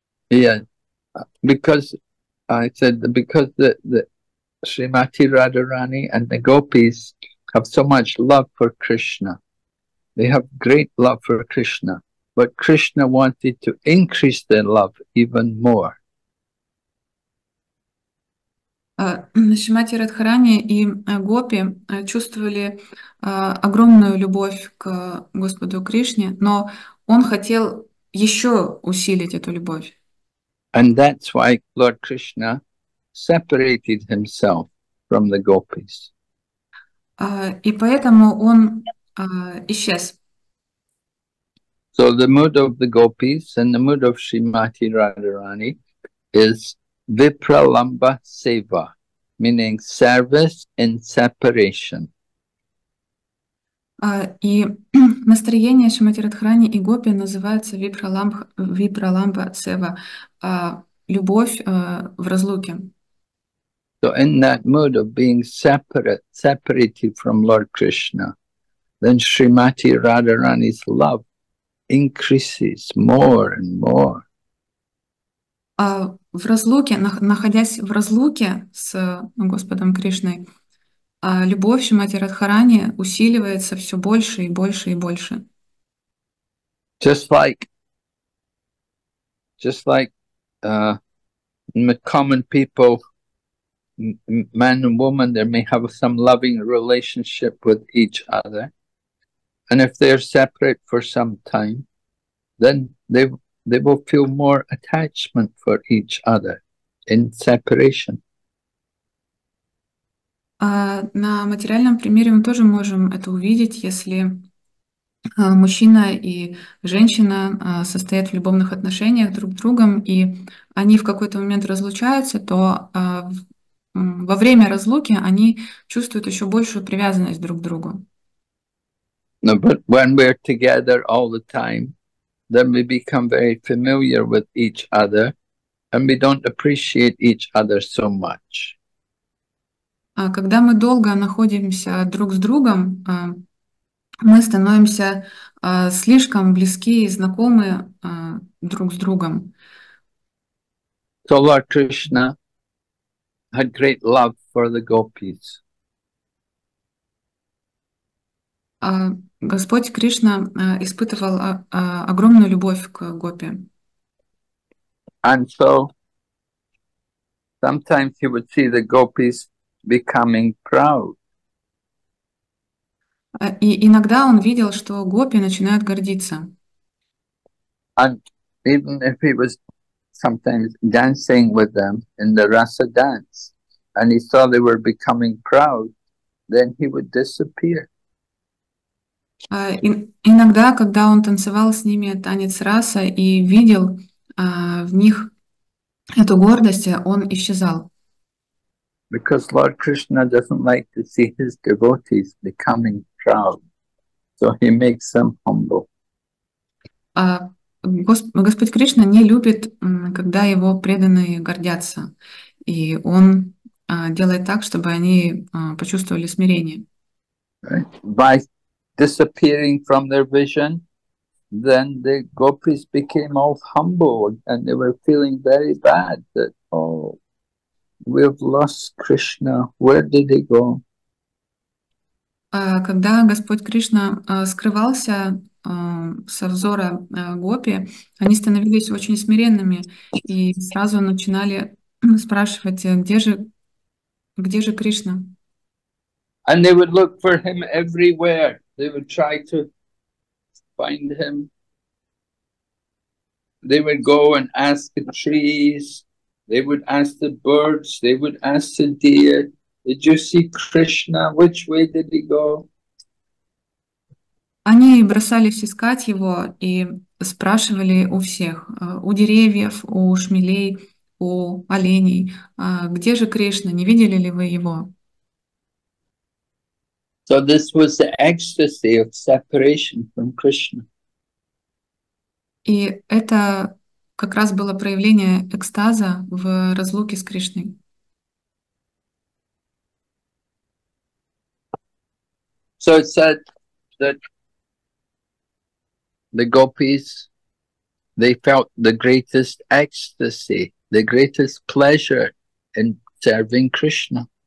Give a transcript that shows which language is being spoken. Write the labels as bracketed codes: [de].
[en] Yeah, because I said that because the Srimati Radharani and the gopis have so much love for Krishna, they have great love for Krishna. But Krishna wanted to increase their love even more. [ru] Шримати Радхарани и гопи чувствовали огромную любовь к Господу Кришне, но он хотел еще усилить эту любовь. [en] And that's why Lord Krishna separated himself from the gopis. [ru] И поэтому он исчез. [en] So the mood of the gopis and the mood of Srimati Radharani is vipralamba seva, meaning service in separation. [ru] И настроение Шримати Радхарани и гопи называется випраламба сева, любовь в разлуке. [en] So in that mood of being separated from Lord Krishna, then Srimati Radharani's love increases more and more. [ru] В разлуке, находясь в разлуке с Господом Кришной, любовь Шримати Радхарани усиливается все больше и больше и больше. [en] Just like common people, man and woman, they may have some loving relationship with each other. And if they're separate for some time, then they will feel more attachment for each other in separation. [ru] На материальном примере мы тоже можем это увидеть, если мужчина и женщина состоят в любовных отношениях друг с другом, и они в какой-то момент разлучаются, то во время разлуки они чувствуют еще большую привязанность друг к другу. [en] No, but when we're together all the time, then we become very familiar with each other, and we don't appreciate each other so much. [ru] Когда мы долго находимся друг с другом, мы становимся слишком близки и знакомы друг с другом. [en] So Lord Krishna had great love for the gopis. [ru] Господь Кришна испытывал огромную любовь к гопи. [en] And so sometimes he would see the gopis becoming proud. [ru] И иногда он видел, что гопи начинают гордиться. [en] And even if he was sometimes dancing with them in the rasa dance, and he saw they were becoming proud, then he would disappear. [ru] Иногда, когда он танцевал с ними танец раса и видел в них эту гордость, он исчезал. [en] Because Lord Krishna doesn't like to see his devotees becoming proud, so he makes them humble. [ru] Господь Кришна не любит, когда его преданные гордятся, и он делает так, чтобы они почувствовали смирение. [en] By disappearing from their vision, then the gopis became all humble and they were feeling very bad that, oh, we've lost Krishna. Where did he go? [ru] Когда Господь Кришна скрывался со взора гопи, они становились очень смиренными и сразу начинали спрашивать, где же Кришна? [en] And they would look for him everywhere. They would try to find him. They would go and ask the trees. They would ask the birds, they would ask the deer, did you see Krishna? Which way did he go? [ru] Они бросались искать его и спрашивали у всех, у деревьев, у шмелей, у оленей, где же Кришна, не видели ли вы его? [en] So this was the ecstasy of separation from Krishna. [ru] И это как раз было проявление экстаза в разлуке с Кришной. [en] So it said that the gopis, they felt the greatest ecstasy, the greatest pleasure in serving Krishna.